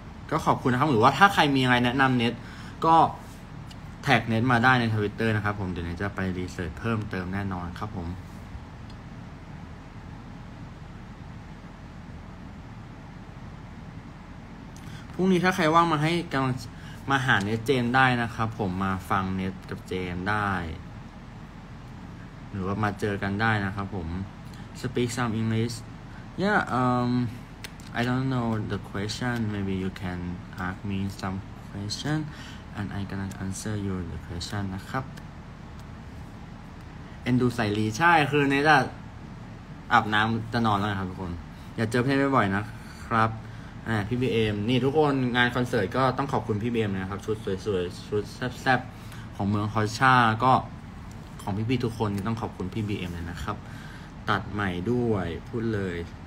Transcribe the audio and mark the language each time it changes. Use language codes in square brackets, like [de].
[th] ก็ขอบคุณนะครับหรือว่าถ้าใครมีอะไรแนะนำเน็ตก็แท็กเน็ตมาได้ใน Twitter นะครับผมเดี๋ยวเน็ตจะไปรีเสิร์ชเพิ่มเติมแน่นอนครับผมพรุ่งนี้ถ้าใครว่างมาให้กำลังมาหาเน็ตเจนได้นะครับผมมาฟังเน็ตกับเจนได้หรือว่ามาเจอกันได้นะครับผม [en] Speak some EnglishYeah, I don't know the question. Maybe you can ask me some question, and I can answer you the question. [th] นะครับ And do ใส่รีใช่คือเนี่ยจะอาบน้ำจะนอนแล้วครับทุกคนอย่าเจอเพื่อนบ่อยๆนะครับพี่บีเอ็มนี่ทุกคนงานคอนเสิร์ตก็ต้องขอบคุณพี่บีเอ็มนะครับชุดสวยๆชุดแซ่บๆของเมืองคอช่าก็ของพี่ๆทุกคนนี่ต้องขอบคุณพี่บีเอ็มเลยนะครับตัดใหม่ด้วยพูดเลย